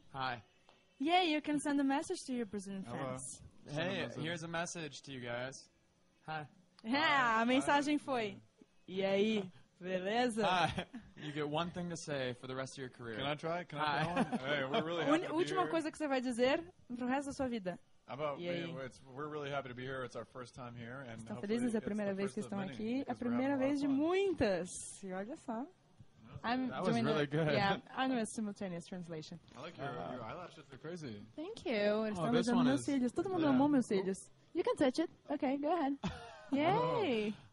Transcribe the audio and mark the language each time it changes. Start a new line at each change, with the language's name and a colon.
English: Hi. Yeah, you can send a message to your Brazilian friends. Hey, here's a message to you guys. Hi. Yeah,
Portuguese: a mensagem foi. E aí, beleza?
English: Hi. You get one thing to say for the rest of your career. Can I try? Can I go on? Hey, we're really happy
Portuguese: Última coisa que você vai dizer pro resto da sua vida.
English: We're really happy to be here. It's our first time here. And
Portuguese: estão felizes? É a primeira vez que estão aqui. É a primeira vez de muitas. E olha só.
English: That was really good. Yeah, I'm doing a simultaneous translation. I like your eyelashes. They're crazy. Thank you.
Portuguese: Estão vendo meus cílios.
English: Todo mundo amou meus cílios. You can touch it. Okay, go ahead. Yay.